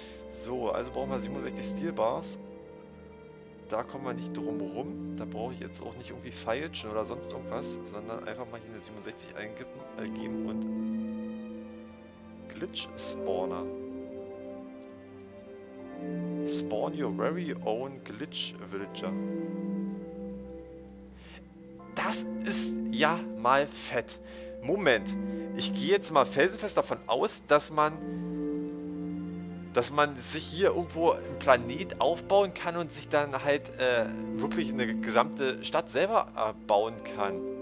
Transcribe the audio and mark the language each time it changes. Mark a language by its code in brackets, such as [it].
[de] So, also brauchen wir 67 Steelbars. Da kommen wir nicht drum rum. Da brauche ich jetzt auch nicht irgendwie feilschen oder sonst irgendwas, sondern einfach mal hier eine 67 eingeben und Glitch Spawner. [en] Spawn your very own Glitch Villager. [de] Das ist ja mal fett. Moment, ich gehe jetzt mal felsenfest davon aus, dass man sich hier irgendwo einen Planet aufbauen kann und sich dann halt wirklich eine gesamte Stadt selber bauen kann.